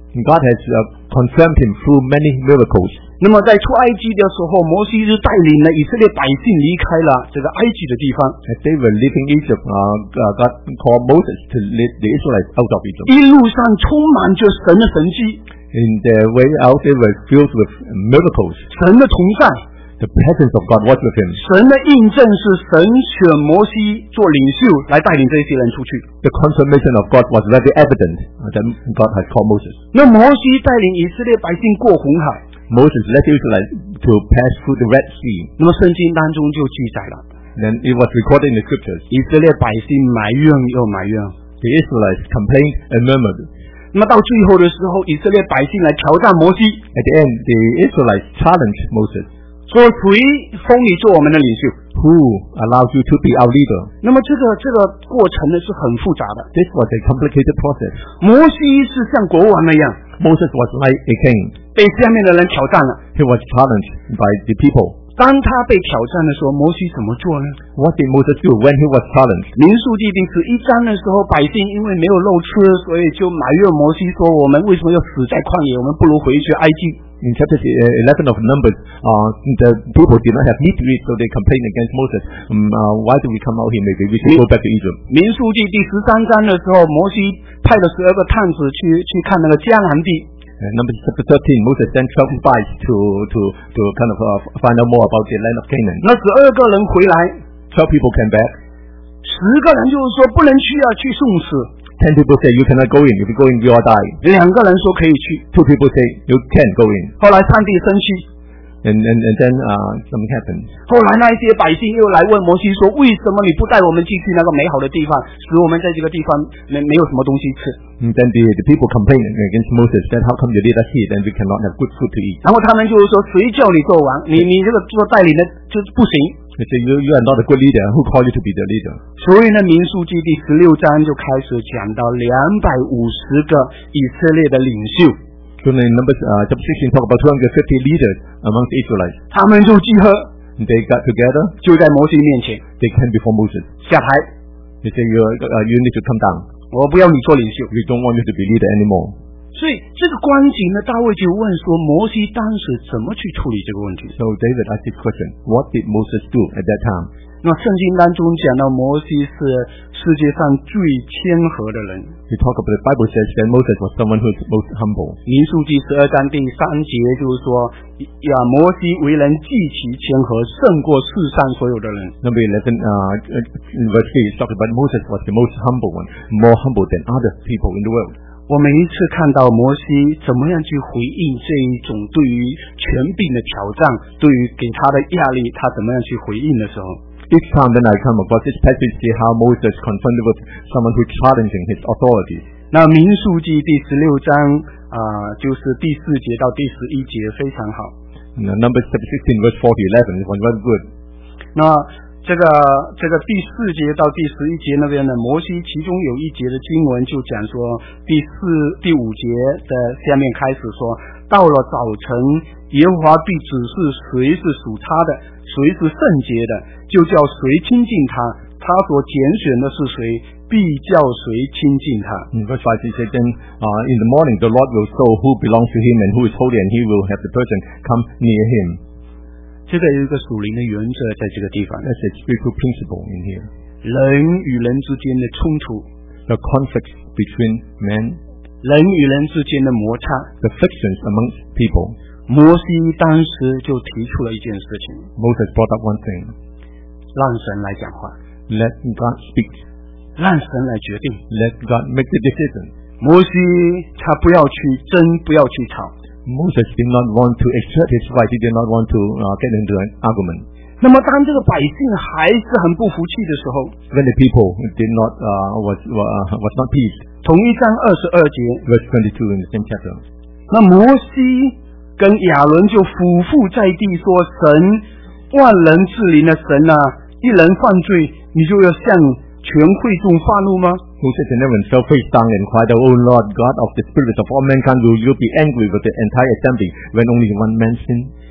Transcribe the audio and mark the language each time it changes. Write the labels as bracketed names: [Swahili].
[English] God has confirmed him through many miracles. [Chinese] 那么在出埃及的时候，摩西就带领了以色列百姓离开了这个埃及的地方。 [English] As they were leaving Egypt, God called Moses to lead the Israelites out of Egypt. [Chinese] 一路上充满着神的神迹。 [English] in their way out, they were filled with miracles. [Chinese] 神的同在。 [English] The presence of God was with him. [Chinese] 神的印证是神选摩西做领袖来带领这些人出去。 [English] The confirmation of God was very evident that God had called Moses. [Chinese] 那摩西带领以色列百姓过红海。 [English] Moses led Israel to pass through the Red Sea. [Chinese] 那么圣经当中就记载了。 [English] Then it was recorded in the scriptures. [Chinese] 以色列百姓埋怨又埋怨。 [English] The Israelites complained and murmured. [Chinese] 那么到最后的时候，以色列百姓来挑战摩西。 [English] At the end, the Israelites challenged Moses. [Chinese] 说谁封你做我们的领袖？ [English] Who allowed you to be our leader? [Chinese] 那么这个过程呢是很复杂的。 [English] This was a complicated process. [Chinese] 摩西是像国王那样。 [English] Moses was like a king. [Chinese] 被下面的人挑战了。 [English] He was challenged by the people. [Chinese] 当他被挑战的时候，摩西怎么做呢？ [English] What did Moses do when he was challenged? [Chinese] 民数记第十一章的时候，百姓因为没有肉吃，所以就埋怨摩西说，我们为什么要死在旷野，我们不如回去埃及。 [English] In chapter 11 of Numbers, the people did not have meat to eat, so they complained against Moses. Why do we come out here? Maybe we should go back to Egypt. [Chinese] 民数记第十三章的时候，摩西派了十二个探子 去看那个迦南地。 [English] Numbers chapter 13, Moses sent 12 spies to kind of find out more about the land of Canaan. [Chinese] 那十二个人回来， [English] 12 people came back. [Chinese] 十个人就是说不能去啊，去送死。 [English] 10 people say you cannot go in. If you go in, you will die. [Chinese] 两个人说可以去。 [English] 2 people say you can go in. [Chinese] 后来上帝生气。 [English] And then something happened. [Chinese] 后来那一些百姓又来问摩西说，为什么你不带我们进去那个美好的地方，使我们在这个地方 没有什么东西吃。 [English] And then the people complained against Moses that how come you lead us here, then we cannot have good food to eat. [Chinese] 然后他们就说，谁叫你做王， 你这个做带领的就不行。 [English] They say you are not a good leader. Who called you to be the leader? [Chinese] 所以呢，民数记第十六章就开始讲到250个以色列的领袖。 [English] So in Numbers chapter 16 talk about 250 leaders among the Israelites. [Chinese] 他们就集合。 [English] They got together. [Chinese] 就在摩西面前。 [English] They came before Moses. [Chinese] 下台。 [English] They say you need to come down. [Chinese] 我不要你做领袖。 [English] We don't want you to be leader anymore. [Chinese] 所以这个光景呢，大卫就问说，摩西当时怎么去处理这个问题？ [English] So David asked this question. What did Moses do at that time? [Chinese] 那圣经当中讲到摩西是世界上最谦和的人。 [English] We talk about the Bible says that Moses was someone who is most humble. [Chinese] 民数记十二章第三节就是说，呀，摩西为人极其谦和，胜过世上所有的人。 [English] Number 11, verse 3 talks about Moses was the most humble one, more humble than other people in the world. [Chinese] 我每一次看到摩西怎么样去回应这一种对于权柄的挑战，对于给他的压力，他怎么样去回应的时候。 [English] This time when I come across this passage, see how Moses confronted with someone who is challenging his authority. [Chinese] 那民数记第十六章就是第四节到第十一节非常好。 [English] Numbers 16 verse 4-11 was very good. [Chinese] 那这个第四节到第十一节那边呢，摩西其中有一节的经文就讲说，第五节的下面开始说，到了早晨，耶和华必指示谁是属他的，谁是圣洁的，就叫谁亲近他，他所拣选的是谁，必叫谁亲近他。 [English] Verse 5 says, then in the morning the Lord will show who belongs to him and who is holy, and he will have the person come near him. [Chinese] 这个有一个属灵的原则在这个地方。 [English] That's a spiritual principle in here. [Chinese] 人与人之间的冲突。 [English] The conflict between men. [Chinese] 人与人之间的摩擦。 [English] The frictions amongst people. [Chinese] 摩西当时就提出了一件事情。 [English] Moses brought up one thing. [Chinese] 让神来讲话。 [English] Let God speak. [Chinese] 让神来决定。 [English] Let God make the decision. [Chinese] 摩西他不要去争，不要去吵。 [English] Moses did not want to exert his right. He did not want to get into an argument. [Chinese] 那么当这个百姓还是很不服气的时候。 [English] When the people did not, was not peace. [Chinese] 同一章二十二节。 [English] Verse 22 in the same chapter. [Chinese] 那摩西跟亚伦就俯伏在地说，神，万人之灵的神啊，一人犯罪，你就要向全会众发怒吗？ [English] Moses and Aaron fell face down and cried out, O Lord, God of the spirits of all mankind, will you be angry with the entire assembly when only one man sinned?